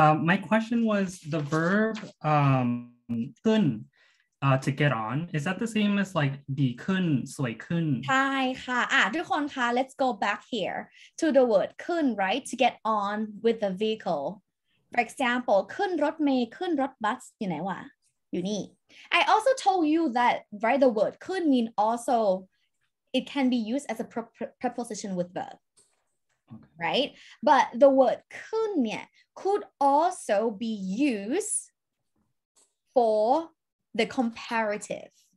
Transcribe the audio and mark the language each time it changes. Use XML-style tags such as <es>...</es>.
<en>My question was the verb ขึ้น to get on. Is that the same as like</en> <th>ดีขึ้นสวยขึ้น ใช่ค่ะทุกคนค่ะ</th> <en>let's go back here to the word ขึ้น right? To get on with the vehicle. For example,</en> <th>ขึ้นรถเมล์ ขึ้นรถบัสอยู่ไหนวะ อยู่นี่</th> <en>I also told you that right, the word ขึ้น mean also it can be used as a preposition with verb right but the word</en> <th>ขึ้นเนี่ย</th> <en>could also be used for the comparative</en>